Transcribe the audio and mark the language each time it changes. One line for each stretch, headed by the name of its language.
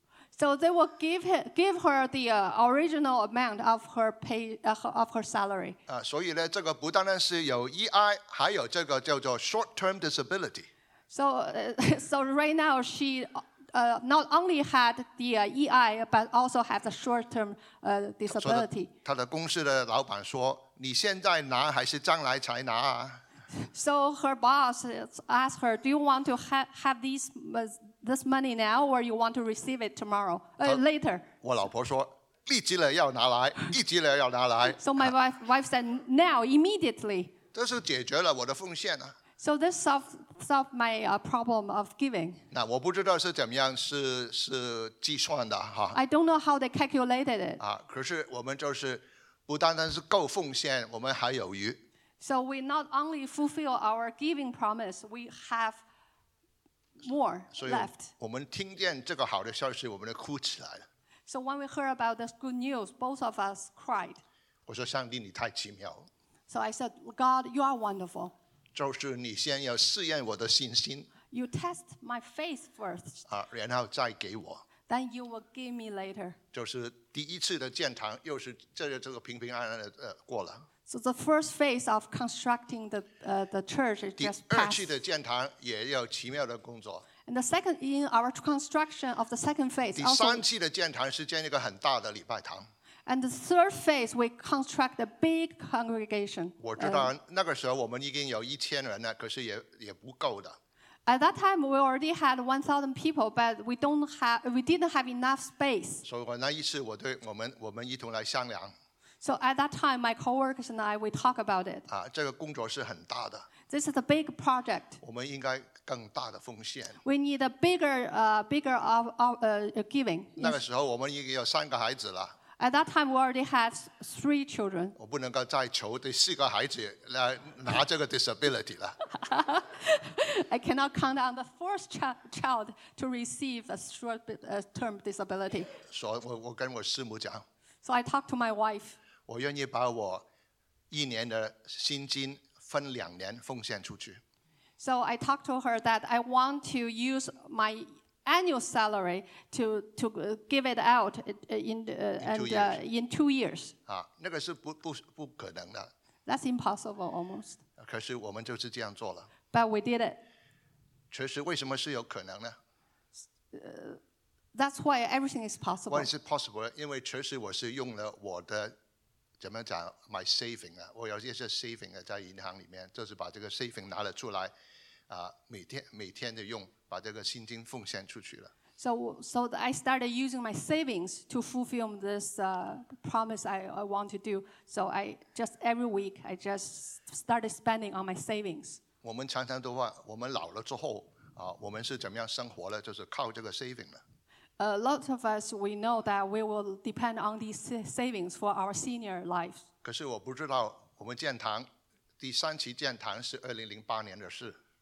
English: So they will give her the original amount of her pay of her salary.
Chinese: 所以呢，这个不单单是有 EI， 还有这个叫做 short-term disability.
English: So right now she not only had the EI, but also has a short-term disability.
Chinese: 他的公司的老板说：“你现在拿还是将来才拿啊？”
English: So her boss asked her, "Do you want to have these?" This money now, or you want to receive it tomorrow, later?
Chinese: 我老婆说，立即了要拿来，立即了要拿来。
English: So my wife said now, immediately.
Chinese: 这是解决了我的奉献啊。
English: So this solved my problem of giving.
Chinese: 那我不知道是怎么样是计算的哈。
English: I don't know how they calculated it.
Chinese: 可是我们就是不单单是够奉献，我们还有余。
English: So we not only fulfill our giving promise, we have. More left.
Chinese: 所以我们听见这个好的消息，我们就哭起来了。
English: So when we heard about this good news, both of us cried.
Chinese: 我说上帝，你太奇妙了。
English: So I said, God, you are wonderful.
Chinese: 就是你先要试验我的信心。
English: You test my faith first.
Chinese: 然后再给我。
English: Then you will give me later.
Chinese: 就是第一次的建堂，又是这个平平安安的过了。
English: So the first phase of constructing the church is just passed.
Chinese: 第二期的建堂也要奇妙的工作。
English: And the second in our construction of the second phase.
Chinese: 第三期的建堂是建一个很大的礼拜堂。
English: And the third phase, we construct a big congregation.
Chinese: 我知道那个时候我们已经有一千人了，可是也不够的。
English: At that time, we already had 1,000 people, but we didn't have enough space.
Chinese: 所以我那一次我对我们一同来商量。
English: So at that time, my coworkers and I, we talk about it.
Chinese: 这个工作是很大的。
English: This is a big project.
Chinese: 我们应该更大的奉献。
English: We need a bigger giving.
Chinese: 那个时候我们已经有三个孩子了。
English: At that time, we already had three children.
Chinese: 我不能够再求第四个孩子来拿这个 disability 了。
English: I cannot count on the fourth child to receive a short-term disability.
Chinese: 所以我跟我师母讲。
English: So I talked to my wife.
Chinese: 我愿意把我一年的薪金分两年奉献出去。
English: So I talked to her that I want to use my annual salary to give it out in 2 years.
Chinese: 那个是不可能的。
English: That's impossible almost.
Chinese: 可是我们就是这样做了。
English: But we did it.
Chinese: 其实为什么是有可能呢？
English: That's why everything is possible. Why is it possible?
Chinese: 因为确实我是用了我的怎么讲
English: my saving
Chinese: 啊，我有一些 saving 啊，在银行里面，就是把这个 saving 拿了出来，每天的用，把这个薪金奉献出去了。
English: So I started using my savings to fulfill this promise I want to do. So I just every week I just started spending on my savings.
Chinese: 我们常常都问，我们老了之后我们是怎么样生活了？就是靠这个 saving 了。
English: A lot of us, we know that we will depend on these savings for our senior lives.
Chinese: 可是我不知道我们建堂第三期建堂是2008年的事。